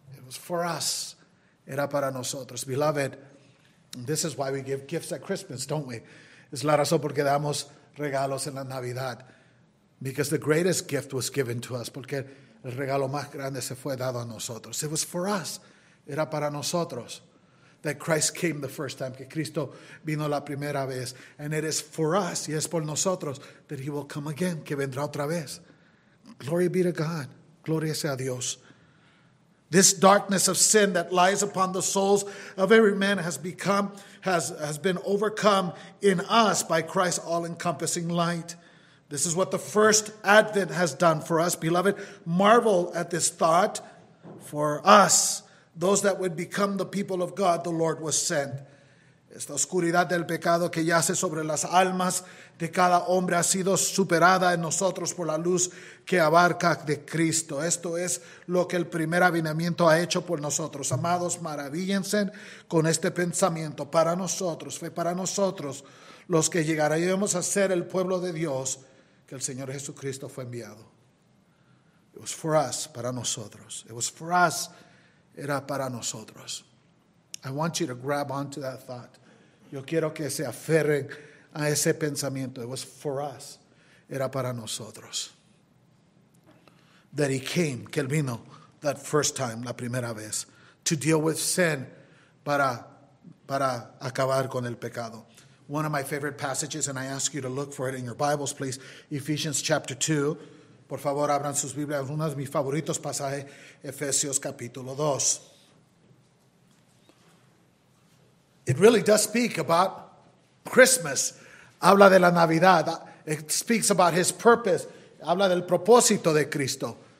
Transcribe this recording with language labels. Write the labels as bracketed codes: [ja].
[en] For us, [es] era para nosotros. [en] Beloved, this is why we give gifts at Christmas, don't we? [es] Es la razón por que damos regalos en la Navidad. [en] Because the greatest gift was given to us. [es] Porque el regalo más grande se fue dado a nosotros. [en] It was for us. [es] Era para nosotros. [en] That Christ came the first time. [es] Que Cristo vino la primera vez. [en] And it is for us, [es] y es por nosotros, [en] that he will come again. [es] Que vendrá otra vez. [en] Glory be to God. [es] Gloria sea a Dios. [en] This darkness of sin that lies upon the souls of every man has been overcome in us by Christ's all-encompassing light. This is what the first Advent has done for us, beloved. Marvel at this thought. For us, those that would become the people of God, the Lord was sent. [es] Esta oscuridad del pecado que yace sobre las almas de cada hombre ha sido superada en nosotros por la luz que abarca de Cristo. Esto es lo que el primer avivamiento ha hecho por nosotros. Amados, maravíllense con este pensamiento. Para nosotros, fue para nosotros los que llegaremos a ser el pueblo de Dios que el Señor Jesucristo fue enviado. [en] It was for us, [es] para nosotros. [en] It was for us, [es] era para nosotros. [en] I want you to grab onto that thought. [es] Yo quiero que se aferren a ese pensamiento. [en] It was for us. [es] Era para nosotros. [en] That he came, [es] que él vino, [en] that first time, [es] la primera vez, [en] to deal with sin, [es] para acabar con el pecado. [en] One of my favorite passages, and I ask you to look for it in your Bibles, please. Ephesians chapter 2. [es] Por favor, abran sus Biblias. Uno de mis favoritos pasajes, Efesios capítulo 2. [en] It really does speak about Christmas. [es] Habla de la Navidad. [en] It speaks about his purpose. [es] Habla del propósito de Cristo.